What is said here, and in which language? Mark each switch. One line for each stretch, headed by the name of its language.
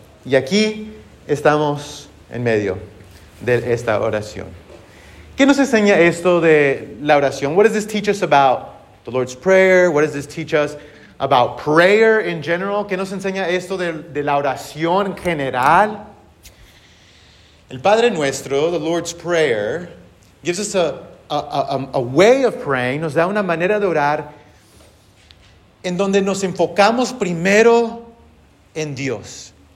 Spanish: Y aquí estamos en medio de esta oración. ¿Qué nos enseña esto de la oración?
English: What does this teach us about the Lord's Prayer? What does this teach us about prayer in general?
Spanish: ¿Qué nos enseña esto de la oración en general? El Padre Nuestro,
English: the Lord's Prayer, gives us a way of praying,
Spanish: nos da una manera de orar en donde nos enfocamos primero en Dios.